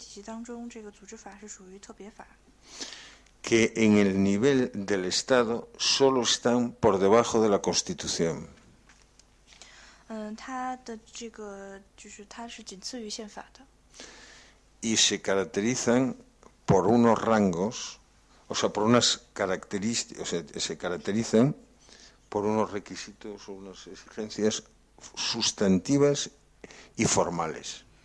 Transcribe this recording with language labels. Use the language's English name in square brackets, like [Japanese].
[Chinese] 在法律体系当中，这个组织法是属于特别法。 [Spanish] Que en el nivel del Estado solo están por debajo de la Constitución. [Chinese] 它的这个就是它是仅次于宪法的。 [Spanish] Y se caracterizan por unos rangos, o sea, por unas características, o sea, se caracterizan por unos requisitos o unas exigencias sustantivas y formales.